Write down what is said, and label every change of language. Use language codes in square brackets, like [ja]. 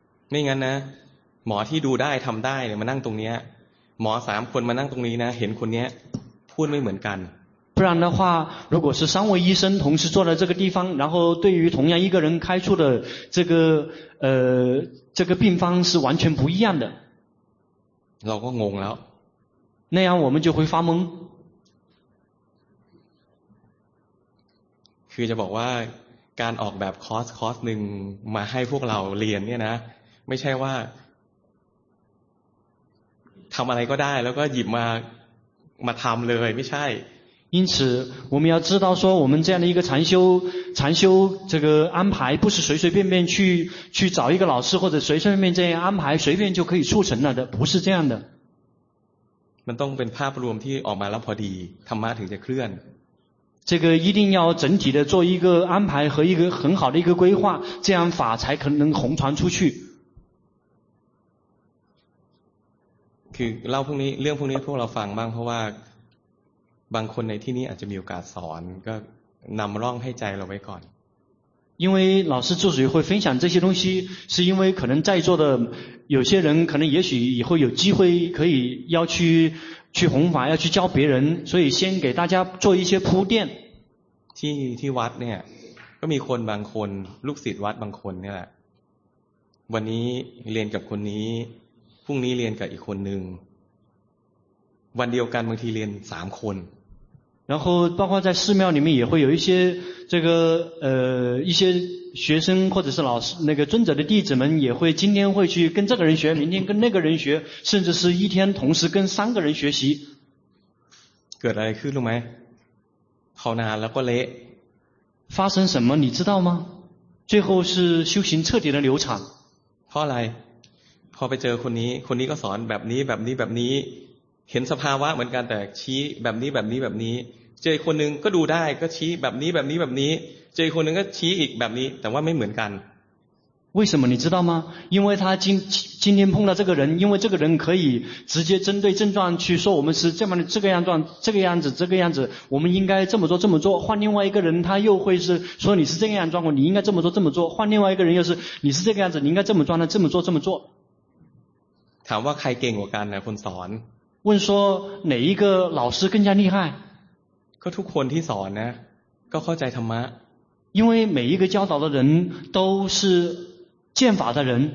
[th] ไม่งั้นนะหมอที่ดูได้ทำได้เนี่ยมานั่งตรงนี้หมอสามคนมานั่งตรงนี้นะเห็นคนนี้พูดไม่เหมือนกัน [zh] 不然的话如果是三位医生同时坐在这个地方然后对于同样一个人开出的这个病方是完全不一样的 [th] เราก็งงแล้ว [zh] 那样我们就会发懵 [th] คือจะบอกว่าการออกแบบคอร์สหนึ่งมาให้พวกเราเรียนเนี่ยนะไม่ใช่ว่าทำอะไรก็ได้แล้วก็หยิบมาทำเลยไม่ใช่ [zh] 因此我们要知道说我们这样的一个禅修这个安排不是随随便便去找一个老师或者随随便便这样安排随便就可以促成了的，不是这样的。 [th] มันต้องเป็นภาพรวมที่ออกมาแล้วพอดีธรรมะถึงจะเคลื่อน [zh] 这个一定要整体的做一个安排和一个很好的一个规划，这样法才可能弘传出去。 [th] คือเล่าพวกนี้เรื่องพวกนี้พวกเราฟังบ้างเพราะว่าบางคนในที่นี้อาจจะมีโอกาสสอนก็นำร่องให้ใจเราไว้ก่อน [zh] 因为老师之所以会分享这些东西，是因为可能在座的有些人可能也许以后有机会可以要去弘法，要去教别人，所以先给大家做一些铺垫。 [th] ที่วัดเนี่ยก็มีคนบางคนลูกศิษย์วัดบางคนเนี่ยแหละวันนี้เรียนกับคนนี้พรุ่งนี้เรียนกับอีกคนนึงวันเดียวกันบางทีเรียนสามคน [zh] 然后包括在寺庙里面也会有一些这个一些学生或者是老师那个尊者的弟子们也会今天会去跟这个人学明天跟那个人学甚至是一天同时跟三个人学习 [th] เกิดอะไรขึ้นรู้ไหมภาวนาแล้วก็เละ [zh] 发生什么你知道吗最后是修行彻底的流产 [th] เพราะอะไรพอไปเจอคนนี้ก็สอนแบบนี้แบบนี้แบบนี้เห็นสภาวะเหมือนกันแต่ชี้แบบนี้แบบนี้แบบนี้เจอคนนึงก็ดูได้ก็ชี้แบบนี้แบบนี้แบบนี้เจอคนนึงก็ชี้อีกแบบนี้แต่ว่าไม่เหมือนกัน [zh] 为什么你知道吗因为他今天碰到这个人因为这个人可以直接针对症状去说我们是这么的这个样状这个样子这个样子我们应该这么做这么做换另外一个人他又会是说你是这个样状况你应该这么做这么做换另外一个人又是你是这个样子你应该这么状态这么做这么做 [th] ถามว่าใครเก่งกว่ากันนะคนสอน [zh] 问说哪一个老师更加厉害 [th] ก็ทุกคนที่สอนนะก็เข้าใจธรรมะ [zh] 因为每一个教导的人都是见法的人